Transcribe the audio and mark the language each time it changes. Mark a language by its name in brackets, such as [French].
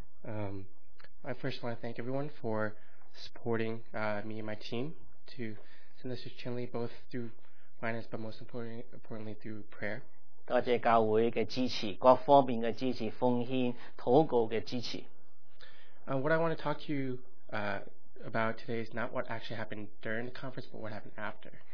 [English] I first want to thank everyone for supporting me and my team to send this to Chinle, both through finance, but most importantly through prayer. [Chinese] 多谢教会的支持，各方面的支持，奉献、祷告的支持。 [English] What I want to talk to you about today is not what actually happened during the conference, but what happened after.